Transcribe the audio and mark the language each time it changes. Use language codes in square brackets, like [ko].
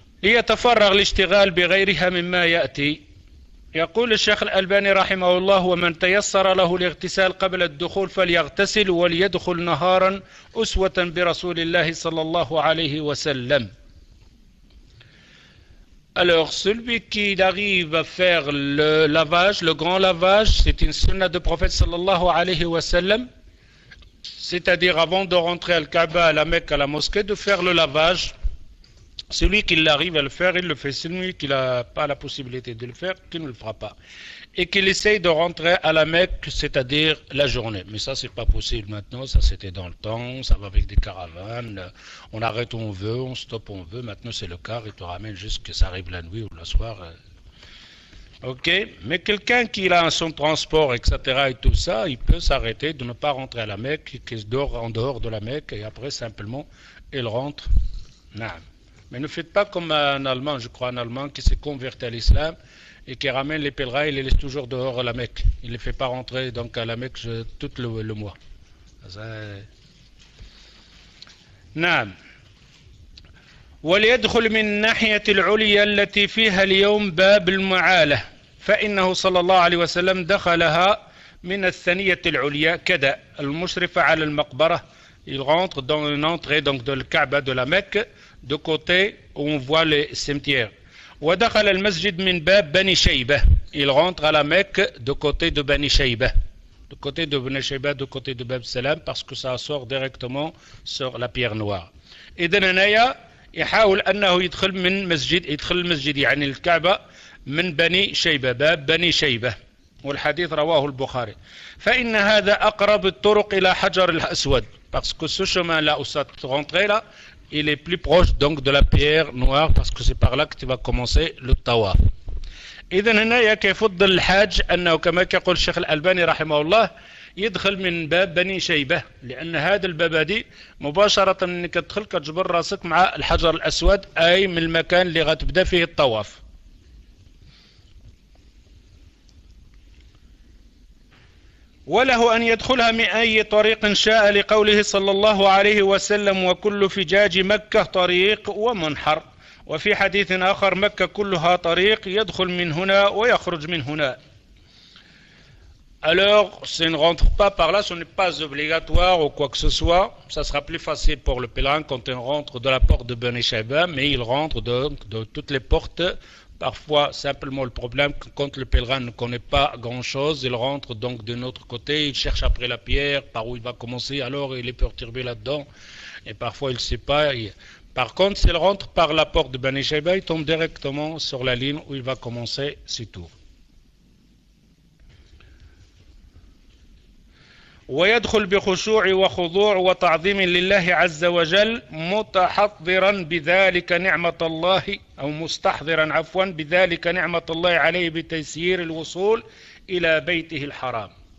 [ar] يتفرغ الاشتغال بغيرها مما يأتي. يقول الشيخ الألباني رحمه الله: ومن تيسر له الاغتسال قبل الدخول فليغتسل وليدخل نهارا أسوة برسول الله صلى الله عليه وسلم. [fr] Alors, celui qui arrive à faire le lavage, le grand lavage, c'est une sunna du prophète [ar] sallallahu alayhi wa sallam, [fr] c'est-à-dire avant de rentrer à la Kaaba, à la Mecque, à la mosquée, de faire le lavage. Celui qui l'arrive à le faire, il le fait. Celui qui n'a pas la possibilité de le faire, qui ne le fera pas. Et qu'il essaye de rentrer à la Mecque, c'est-à-dire la journée. Mais ça, ce n'est pas possible maintenant. Ça, c'était dans le temps. Ça va avec des caravanes. On arrête où on veut, on stoppe où on veut. Maintenant, c'est le car. Il te ramène jusqu'à ce que ça arrive la nuit ou le soir. OK. Mais quelqu'un qui a son transport, etc., et tout ça, il peut s'arrêter de ne pas rentrer à la Mecque, qu'il dort en dehors de la Mecque, et après, simplement, il rentre. Non. Mais ne faites pas comme un Allemand, je crois, un Allemand qui s'est converti à l'islam et qui ramène les pèlerins, il les laisse toujours dehors à la Mecque. Il ne les fait pas rentrer donc à la Mecque tout le mois. Ça... Naam. [ar] وليدخل من ناحية العليا التي فيها اليوم باب المعالة فإنه صلى الله عليه وسلم دخلها من الثنية العليا كذا المشرفة على المقبرة. [fr] Il rentre dans une entrée donc de la Kaaba de la Mecque, de côté où on voit le cimetière. [ar] وَدَخَلَ الْمَسْجِدْ مِنْ بَابْ بَنِي شَيْبَةً. [fr] Il rentre à la Mecque de côté de Bani Shaybah. De côté de Bani Shaybah, de côté de Bab Salam, parce que ça sort directement sur la pierre noire. [ar] إِذَنَ نَيَا يَحَاوُلْ أَنَّهُ يَدْخَلْ مِنْ مَسْجِدْ يَدْخَلْ الْمَسْجِدْ يعني الكعبة من بني شيبة باب بني شيبة والحديث رواه البخاري فإن هذا أقرب الطرق إلى حجر الأسود [fr] parce que ce chemin là où ça te rentrait là il est plus proche donc de la pierre noire parce que c'est par là que tu vas commencer le tawaf. [ar] إذن هنا يفضل الحاج أنه كما يقول الشيخ الألباني رحمه الله يدخل من باب بني شيبة لأن هذا الباب دي مباشرة أنك تدخل كتجبر راسك مع الحجر الأسود أي من المكان اللي غتبدأ فيه الطواف. وله أن يدخلها من أي طريق شاء لقوله صلى الله عليه وسلم وكل فجاج مكة طريق ومنحر وفي حديث آخر مكة كلها طريق يدخل من هنا ويخرج من هنا. [fr] Alors, si on ne rentre pas par là, ce n'est pas obligatoire ou quoi que ce soit. Ça sera plus facile pour le pèlerin quand il rentre de la porte de Bani Shaiba, mais il rentre donc de toutes les portes. Parfois, simplement le problème, quand le pèlerin ne connaît pas grand-chose, il rentre donc d'un autre côté, il cherche après la pierre, par où il va commencer, alors il est perturbé là-dedans. Et parfois, il ne sait pas. Par contre, s'il rentre par la porte de Bani Shaiba, il tombe directement sur la ligne où il va commencer ses tours. [ar] ويدخل بخشوع وخضوع وتعظيم لله عز وجل متحضرا بذلك نعمة الله أو مستحضرا عفوا بذلك نعمة الله عليه بتيسير الوصول إلى بيته الحرام.